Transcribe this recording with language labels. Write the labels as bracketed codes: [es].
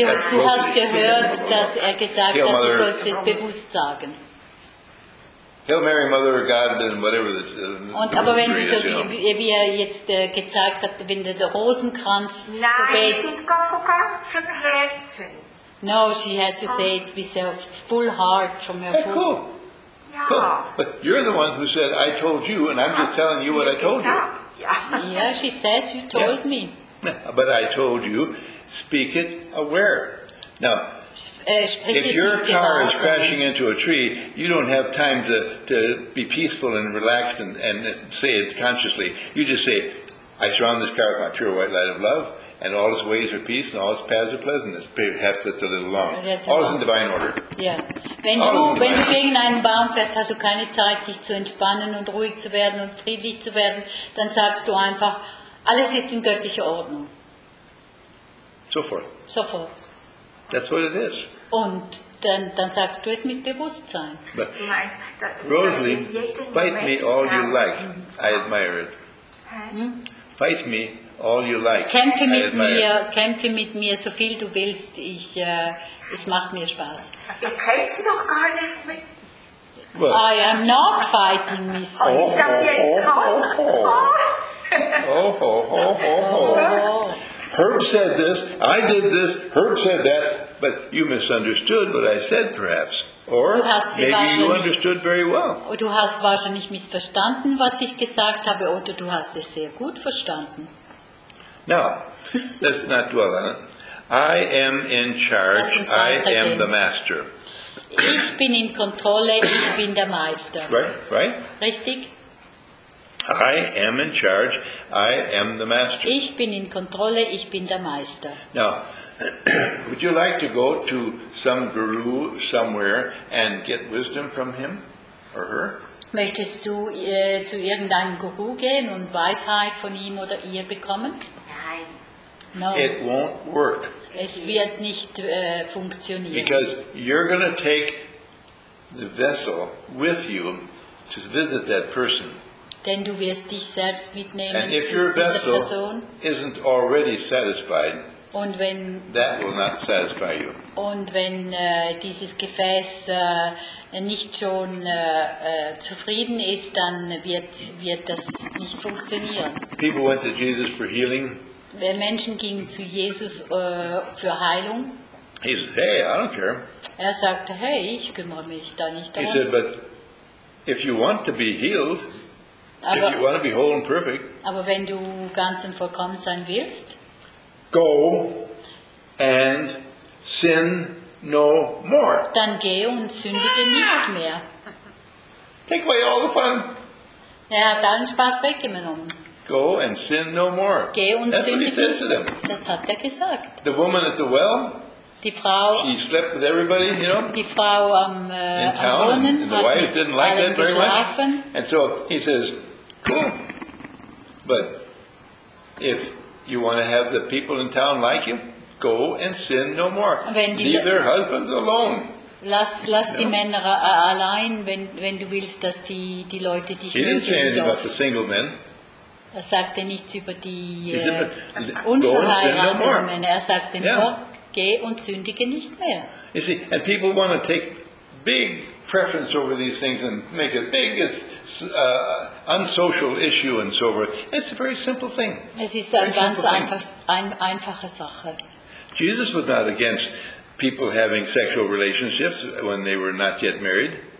[de] Du hast gehört, dass er gesagt hat, du sollst es bewusst sagen. [en] Hail Mary, Mother of God, and whatever this is. [de] Aber wenn du so, wie er jetzt gezeigt hat, wenn der Rosenkranz zum Herzen. [en] No, she has to say it with her full heart, from her full heart. Cool. Cool. But you're the one who said, I told you, and I'm just telling you what I told you. Yeah, she says, you told me. But I told you, speak it aware. Now, if your car is crashing into a tree, you don't have time to be peaceful and relaxed and say it consciously. You just say, I surround this car with my pure white light of love, and all its ways are peace, and all its paths are pleasantness. Perhaps that's a little long. All is in divine order. Yeah. [de] Wenn du gegen einen Baum fährst, hast du keine Zeit, dich zu entspannen und ruhig zu werden und friedlich zu werden, dann sagst du einfach, alles ist in göttlicher Ordnung. Sofort. Sofort. [en] That's what it is. [de] Und dann sagst du es mit Bewusstsein. [en] Rosalie, fight me all you like. I admire it. Fight me all you like. [de] Kämpfe mit mir, kämpfe mit mir, so viel du willst. Es macht mir Spaß. Ich kämpfe doch gar nicht mit. [en] Well, I am not fighting myself. [de] Oh, ist das jetzt krank? [en] Herb said this, I did this, Herb said that, but you misunderstood what I said perhaps. Or maybe you understood very well. [de] Du hast wahrscheinlich missverstanden, was ich gesagt habe, oder du hast es sehr gut verstanden. [en] Now, let's not dwell on it. I am in charge, I am the master. [de] Ich bin in Kontrolle, ich bin der Meister. [en] Right? [de] Richtig? [en] I am in charge, I am the master. [de] Ich bin in Kontrolle, ich bin der Meister. [en] Now, would you like to go to some guru somewhere and get wisdom from him or her? [de] Möchtest du zu irgendeinem Guru gehen und Weisheit von ihm oder ihr bekommen? Nein. [en] No. It won't work. [de] Es wird nicht funktionieren. [en] Because you're going to take the vessel with you to visit that person. [de] Denn du wirst dich selbst mitnehmen. [en] And if your vessel isn't already satisfied, [de] und wenn, [en] that will not satisfy you. [de] Und wenn dieses Gefäß nicht schon zufrieden ist, dann wird das nicht funktionieren. [en] People went to Jesus for healing. [de] Wenn Menschen gingen zu Jesus für Heilung. [en] He said, hey, I don't care. [de] Er sagte, hey, ich kümmere mich da nicht darum. [en] He said, but if you want to be healed, [de] aber, [en] if you want to be whole and perfect, [de] aber wenn du ganz und vollkommen sein willst, [en] go and sin no more. [de] Dann geh und sündige nicht mehr. [en] Take away all the fun. [de] Er hat allen Spaß weggenommen. [en] Go and sin no more. [de] Geh und [en] that's [de] sündige. [en] What he said to them. [de] Das hat er gesagt. [en] The woman at the well. [de] Die Frau, [en] he slept with everybody, you know, [de] die Frau am, [en] in town, [de] am Brunnen, [en] and the wife didn't like that very [de] geschlafen. [en] Much. And so he says, cool, but if you want to have the people in town like you, go and sin no more. Leave their husbands alone. [de] Lass die Männer allein, wenn du willst, dass die Leute dich mögen. [en] He didn't say anything about the single men. [de] Er sagte nichts über die unverheirateten Männer. Er sagte nur, geh und sündige nicht mehr. [en] You see, and people want to take big preference over these things and make the biggest unsocial issue and so forth. It's a very simple thing. [de] Es ist eine ganz einfache Sache. [en] Jesus was not against people having sexual relationships when they were not yet married.